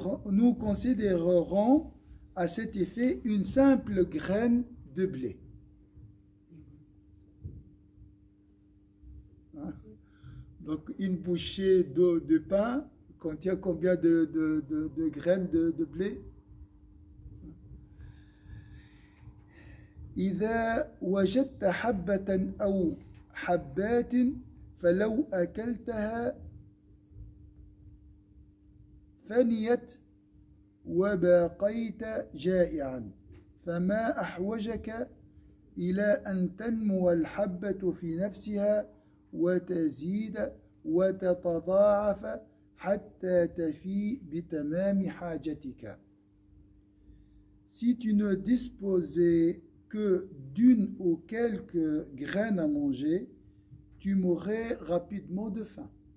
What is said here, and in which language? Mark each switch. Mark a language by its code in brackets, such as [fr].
[fr] Nous considérerons à cet effet une simple graine de blé. Hein? Donc une bouchée d'eau de pain contient combien de graines de blé? [ar] إذا وجدت حبة أو حبات فلو أكلتها فنيت وبقيت جائعا فما أحوجك إلى أن تنمو الحبة في نفسها وتزيد وتتضاعف حتى تفي بتمام حاجتك. [fr] Si tu ne disposais que d'une ou quelques graines à manger, tu mourrais rapidement de faim.